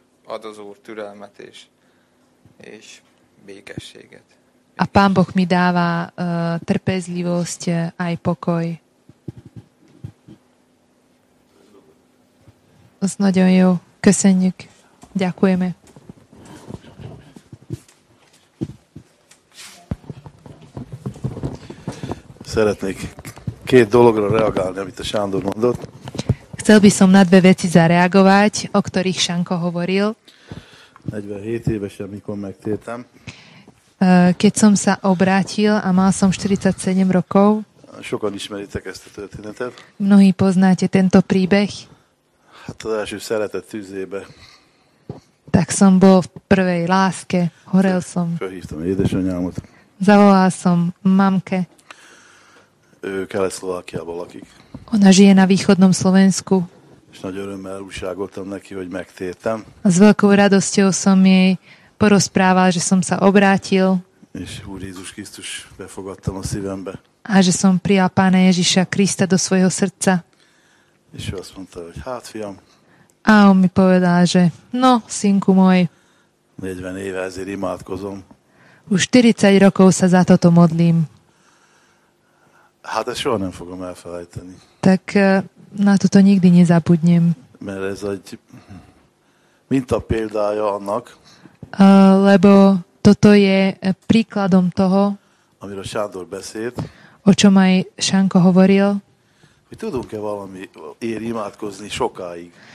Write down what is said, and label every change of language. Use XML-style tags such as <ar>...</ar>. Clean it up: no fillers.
<hu>ad az Úr türelmet és békességet.</hu> <sk>A Pán Boh mi dáva trpezlivosť aj pokoj.</sk> <hu>Az nagyon jó. Köszönjük.</hu> <sk>Ďakujeme.</sk> <hu>Szeretnék két dologra reagálni, amit a Sándor mondott.</hu> <sk>Chcel by som na dve veci zareagovať, o ktorých Šanko hovoril.</sk> <hu>47 évesen, mikor megtértem.</hu> <sk>Keď som sa obrátil a mal som 47 rokov.</sk> <hu>Sokan ismeritek ezt a történetet.</hu> <sk>Mnohí poznáte tento príbeh.</sk> <hu>Hát az első szeretet tűzébe.</hu> <sk>Tak som bol v prvej láske, horel som.</sk> <hu>Fölhívtam édesanyámot.</hu> <sk>Zavolal som mamke.</sk> <hu>Ő Kelet-Szlovákiában lakik.</hu> <sk>Ona žije na východnom Slovensku.</sk> <hu>És nagy örömmel újságoltam neki, hogy megtértem.</hu> <sk>A s veľkou radosťou som jej porozprával, že som sa obrátil.</sk> <hu>És Úr Jézus Krisztus befogadtam a szívembe.</hu> <sk>A že som prijal Pána Ježiša Krista do svojho srdca.</sk> <hu>És ő azt mondta, hogy hát, fiam.</hu> <sk>A on mi povedal, že no, synku môj.</sk> <hu>40 éve ezért imádkozom.</hu> <sk>Už 40 rokov sa za toto modlím.</sk> <hu>Hát ezt soha nem fogom elfelejteni.</hu> <sk>Tak na toto nikdy nezabudnem.</sk> <hu>Mert ez egy minta példája annak.</hu> <sk>Lebo toto je príkladom toho,</sk> <hu>amiről Sándor beszélt,</hu> <sk>o čom aj Šanko hovoril.</sk> <hu>Hogy tudunk-e valami ér imádkozni sokáig.</hu>